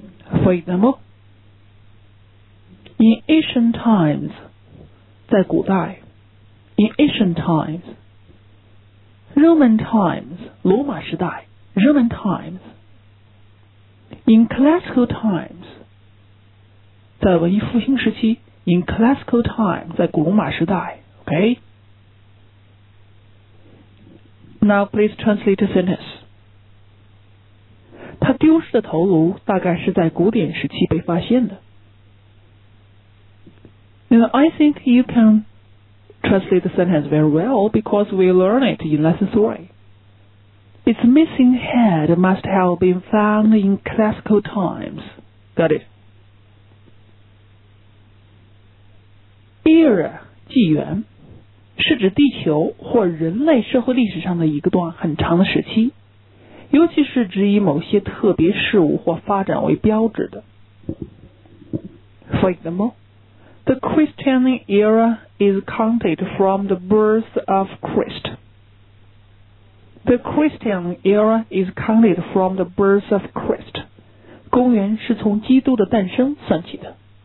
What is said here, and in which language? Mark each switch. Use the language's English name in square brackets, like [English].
[English] For example, in ancient times, [Chinese] 在古代 [English] ，in ancient times, Roman times, [Chinese] 罗马时代 [English] ，Roman times, in classical times, [Chinese] 在文艺复兴时期 [English] ，in classical times, [Chinese] 在古罗马时代 [English] ，OK。 Now please translate the sentence. [Chinese] 他丢失的头颅大概是在古典时期被发现的。 [English] Now I think you can translate the sentence very well because we learn it in lesson 3. Its missing head must have been found in classical times. Got it? Era, 纪元。 [Chinese] 是指地球或人类社会历史上的一个段很长的时期，尤其是指以某些特别事物或发展为标志的。 [English] For example, the Christian era is counted from the birth of Christ. The Christian era is counted from the birth of Christ. [Chinese] 公元是从基督的诞生算起的。